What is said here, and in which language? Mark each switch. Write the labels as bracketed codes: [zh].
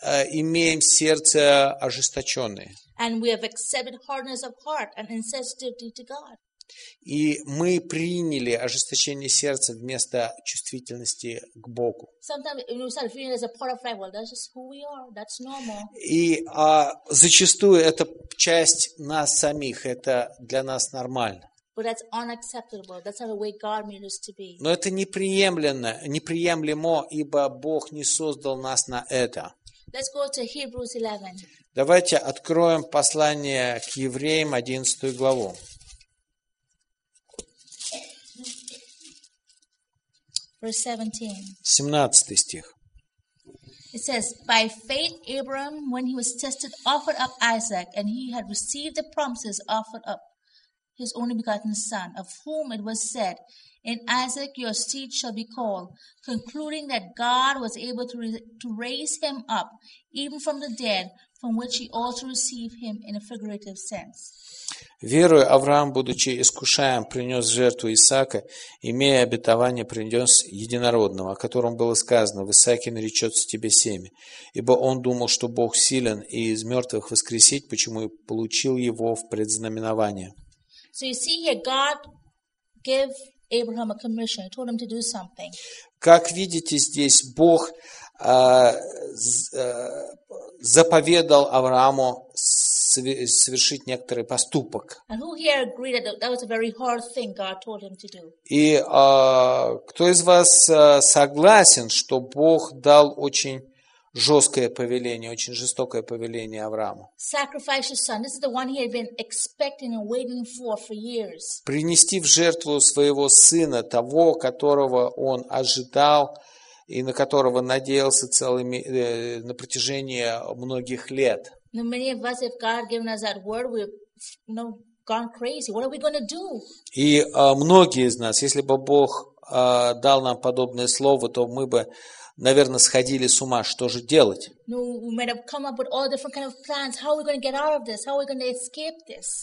[ru] имеем сердце ожесточенное. [en] And we have accepted hardness of heart and insensitivity to God. [ru] И мы приняли ожесточение сердца вместо чувствительности к Богу. [en] Sometimes we start feeling as a part of life. Well, that's just who we are. That's normal. [ru] И зачастую это часть нас самих. Это для нас нормально. [en] But that's unacceptable. That's not the way God made us to be. [ru] Но это неприемлемо, неприемлемо, ибо Бог не создал нас на это. [en] Let's go to Hebrews 11. [ru] Давайте откроем послание к Евреям 11 главу. [en] Verse [ru] 17. 17 стих. [en] It says, by faith Abraham, when he was tested, offered up Isaac, and he had received the promises, offered up his only begotten son, of whom it was said, in Isaac your seed shall be called, concluding that God was able to raise him up, even from the dead, from which he also received him in a figurative sense. [ru] Верою Авраам, будучи искушаем, принес жертву Исаака, имея обетование, принес единородного, о котором было сказано, в Исааке наречется тебе семя. Ибо он думал, что Бог силен и из мертвых воскресить, почему и получил его в предзнаменование. [en] So you see here, God gave Abraham a commission. He told him to do something. [ru] Как видите здесь, Бог заповедал Аврааму совершить некоторый поступок. [en] And who here agreed that that was a very hard thing God told him to do? [ru] И кто из вас согласен, что Бог дал очень жесткое повеление, очень жестокое повеление Аврааму? [en] Sacrifice your son. This is the one he had been expecting and waiting for years. [ru] Принести в жертву своего сына, того, которого он ожидал и на которого надеялся целыми на протяжении многих лет. [en] Now many of us, if God given us that word, we've gone crazy. What are we going to do? [ru] И многие из нас, если бы Бог дал нам подобное слово, то мы бы, наверное, сходили с ума. Что же делать? [en] No, we might have come up with all different kind of plans. How are we going to get out of this? How are we going to escape this?